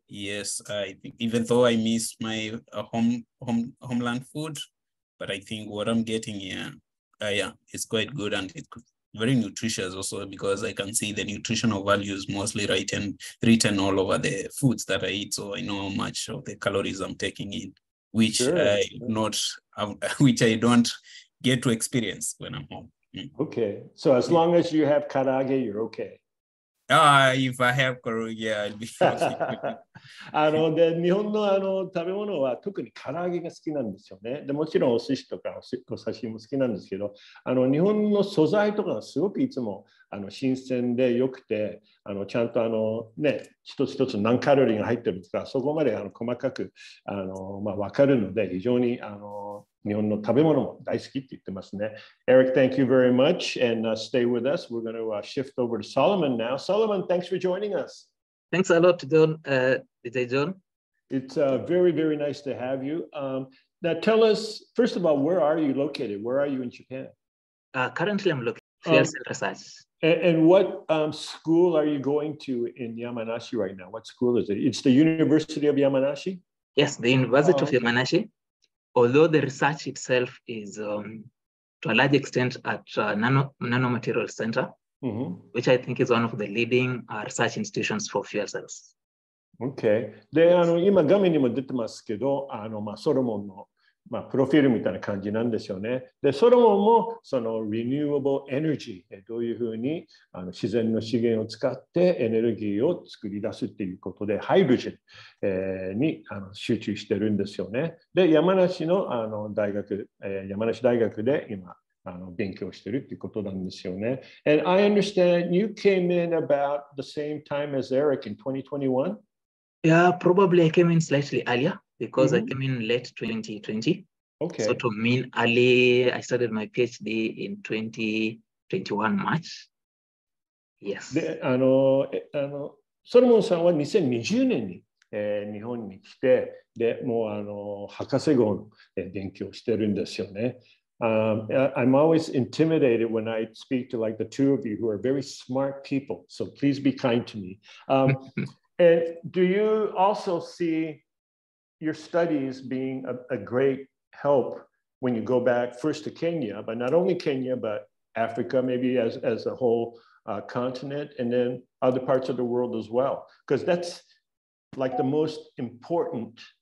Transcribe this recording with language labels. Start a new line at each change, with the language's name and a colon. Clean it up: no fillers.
English: Yes, I think even though I miss my homeland food, but I think what I'm getting here, it's quite good and it's very nutritious also because I can see the nutritional values mostly written all over the foods that I eat. So I know how much of the calories I'm taking in, which I don't get to experience when I'm home. Okay, so as long as you have karaage, you're okay. If I have karaage, I'll be fine.
Japanese: あの、で、日本のあの、食べ物は特に唐揚げが好きなんですよね。で、もちろんお寿司とかお刺身も好きなんですけど、あの、日本の素材とかがすごくいつもあの新鮮で良くて、あの、ちゃんとあの、ね、一つ一つ何カロリーが入ってるとか、そこまであの細かくあの、まあ、分かるので、非常にあの日本の食べ物も大好きって言ってますね。
English: Eric, thank you very much and stay with us. We're going to shift over to Solomon now. Solomon, thanks for joining us. Thanks a lot, John. John. It's very, very nice to have you. Now tell us, first of all, where are you located? Where are you in Japan? Currently, I'm located in Yamanashi. And what school are you going to in Yamanashi right now? What school is it? It's the University of Yamanashi? Yes, the University of Yamanashi. Although the research itself is to a large extent at Nanomaterial Center, which I think is one of the leading research institutions for fuel cells. Okay.
Japanese: で、あの、今画面にも出てますけど、あの、まあ、ソロモンの、まあ、プロフィールみたいな感じなんですよね。で、ソロモンもその renewable energy、どういうふうにあの自然の資源を使ってエネルギーを作り出すっていうことで、ハイブリッド、にあの集中してるんですよね。で、山梨の、あの大学、山梨大学で今あの勉強してるっていうことなんですよね。
English: And I understand you came in about the same time as Eric in 2021? Yeah, probably I came in slightly earlier. Because I came in late 2020. Okay. So to mean early, I started my PhD in 2021 March. Yes.
Japanese: で、あの、あの、ソロモンさんは2020年に、日本に来て、で、もうあの、博士号の、勉強してるんですよね。
English: I'm always intimidated when I speak to like the two of you who are very smart people. So please be kind to me. and do you also see... your studies being a great help when you go back first to Kenya, but not only Kenya, but Africa, maybe as a whole continent, and then other parts of the world as well. Because that's like the most important